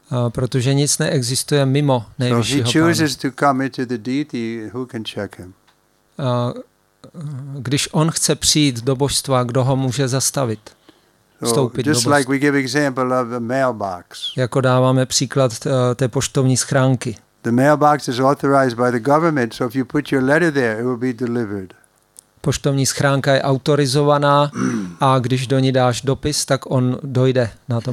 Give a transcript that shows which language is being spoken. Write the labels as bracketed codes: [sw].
[cs] Protože nic neexistuje mimo nejvyššího pána. [en] So if he chooses to come into the deity, who can check him? [cs] Když on chce přijít do božstva, kdo ho může zastavit? Vstoupit do božstva. [en] Like we give example of a mailbox. [cs] Jako dáváme příklad té poštovní schránky. [en] The mailbox is authorized by the government, so if you put your letter there, it will be delivered. [cs] Poštovní schránka je autorizovaná a když do ní dáš dopis, tak on dojde na to